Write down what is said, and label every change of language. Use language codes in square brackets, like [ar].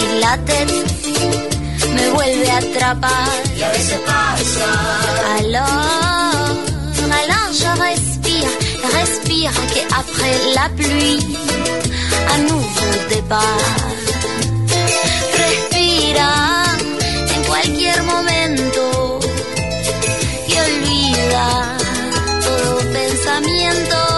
[fr] La tête [es] me vuelve a atrapar. Y a veces pasa. [fr] Alors je respire, respire, que après la pluie, un nouveau départ. [es] Respira en cualquier momento y olvida todo pensamiento.